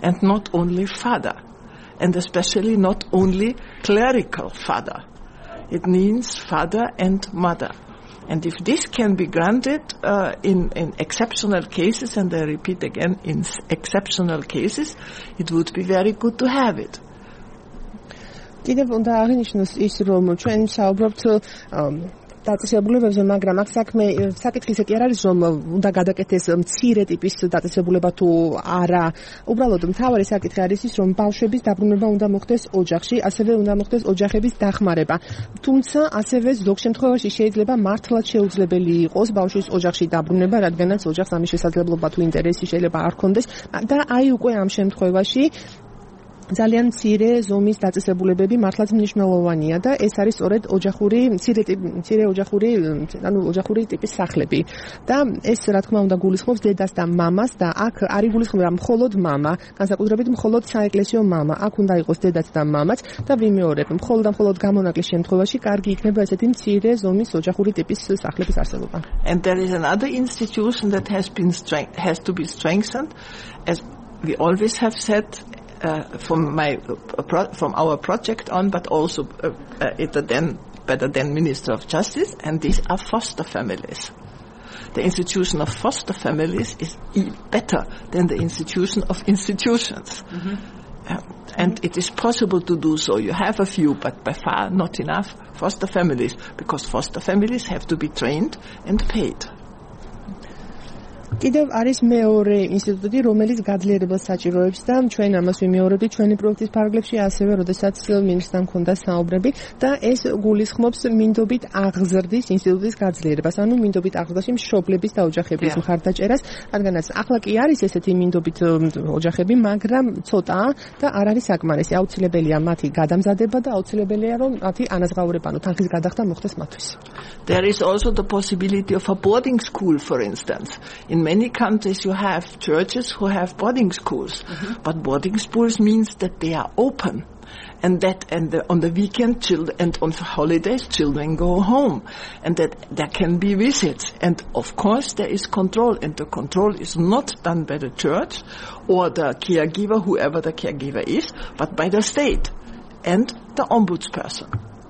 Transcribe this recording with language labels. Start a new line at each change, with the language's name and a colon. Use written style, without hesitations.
English: and not only father, and especially not only clerical father. It means father and mother. And if this can be granted in exceptional cases, and I repeat again, in exceptional cases, it would be very good to have it.
Georgian: Კიდევ უნდა აღინიშნოს ის, რომ ჩვენ საუბრობთ დაწესებულებებზე, მაგრამ აქ საკითხი ისე კი არ არის, რომ უნდა გადაკეთდეს მცირე ტიპის დაწესებულება თუ არა. უბრალოდ მთავარი საკითხი არის ის, რომ ბავშვების დაბრუნება უნდა მოხდეს ოჯახში, ასევე უნდა მოხდეს ოჯახების დახმარება. თუმცა ასევე ზოგ შემთხვევაში შეიძლება მართლაც შეუძლებელი იყოს ბავშვის ოჯახში დაბრუნება, რადგანაც ოჯახს ამის შესაძლებლობა თუ ინტერესი შეიძლება არ ქონდეს. და აი უკვე ამ შემთხვევაში ძალიან მცირე ზომის დაწესებულებები მართლაც მნიშვნელოვანია და ეს არის სწორედ ოჯახური მცირე ოჯახური ანუ ოჯახური ტიპის სახლები და ეს რა თქმა უნდა გულისხმობს დედას და მამას და აქ არ იგულისხმება მხოლოდ მამა განსაკუთრებით მხოლოდ საეკლესიო მამა აქ უნდა იყოს დედაც და მამაც და ვიმეორებ მხოლოდ მხოლოდ გამონაკლის შემთხვევაში კარგი იქნება ესეთი მცირე ზომის ოჯახური ტიპის სახლების არსებობა
English: and there is another institution that has to be strengthened as we always have said from our project on, but also the then Minister of Justice, and these are foster families. The institution of foster families is better than the institution of institutions. Mm-hmm. And it is possible to do so. You have a few, but by far not enough foster families, because foster families have to be trained and paid.
Georgian: კიდევ არის მეორე ინსტიტუტი, რომელიც გაძლიერებას საჭიროებს და ჩვენ ამას ვიმეორებთ ჩვენი პროექტის ფარგლებში, ასევე როდესაც მინისტრთან ქონდა საუბრები და ეს გულისხმობს მინდობით აღზრდის ინსტიტუტის გაძლიერებას, ანუ მინდობით აღზრდაში მშობლების და ოჯახების მხარდაჭერას, რადგანაც ახლა კი არის ესეთი მინდობით ოჯახები, მაგრამ ცოტაა და არ არის საკმარისი. აუცილებელია მათი გადამზადება და აუცილებელია, რომ მათი ანაზღაურება, ანუ თანხის გადახდა მოხდეს მათთვის.
English: There is also the possibility of a boarding school, for instance. In many countries you have churches who have boarding schools, mm-hmm. but boarding schools means that they are open and that on the weekend children and on holidays children go home and that there can be visits and of course there is control and the control is not done by the church or the caregiver, whoever the caregiver is, but by the state and the ombudsperson.